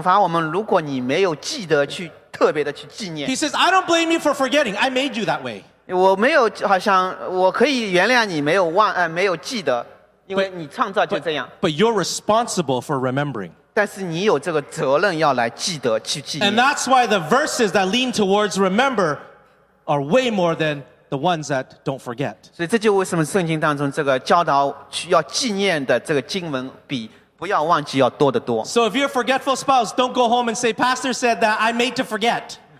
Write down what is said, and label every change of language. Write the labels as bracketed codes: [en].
[zh] 所以神不会好像惩罚我们如果忘记了,但是他会惩罚我们如果你没有记得去特别的去纪念。 [en] He says, I don't blame you for forgetting, I made you that way. [zh] 我没有好像我可以原谅你没有忘,没有记得,因为你创造就这样。But [en] you're responsible for remembering. [zh] 但是你有这个责任要来记得去纪念。 [en] And that's why the verses that lean towards remember are way more than the ones that don't forget. [zh] 所以这就为什么圣经当中这个教导要纪念的这个经文比不要忘记要多得多。 [en] So if you're a forgetful spouse, don't go home and say, Pastor said that I made to forget.